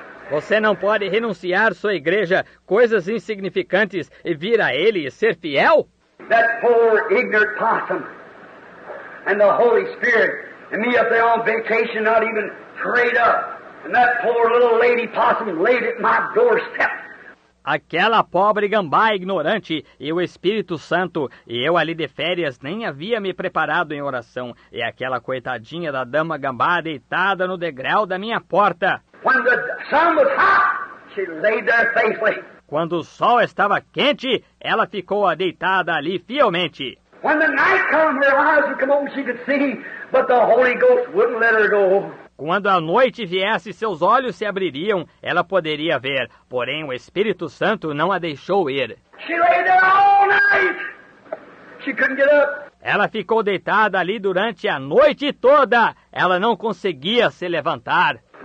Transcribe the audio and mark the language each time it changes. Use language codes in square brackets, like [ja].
[pt] Você não pode renunciar sua igreja, coisas insignificantes, e vir a ele e ser fiel? [en] That poor ignorant possum and the Holy Spirit and me up there on vacation not even prayed up And that poor little lady possum laid at my doorstep. [pt] Aquela pobre gambá ignorante e o Espírito Santo, e eu ali de férias nem havia me preparado em oração, e aquela coitadinha da dama gambá deitada no degrau da minha porta. [en] When the sun was hot, she lay there faithfully. [pt] Quando o sol estava quente, ela ficou deitada ali fielmente. [en] When the night came, her eyes would come open, she could see, but the Holy Ghost wouldn't let her go. [pt] Quando a noite viesse, seus olhos se abririam, ela poderia ver, porém o Espírito Santo não a deixou ir. [en] She lay there all night. She couldn't get up. [pt] Ela ficou deitada ali durante a noite toda. Ela não conseguia se levantar.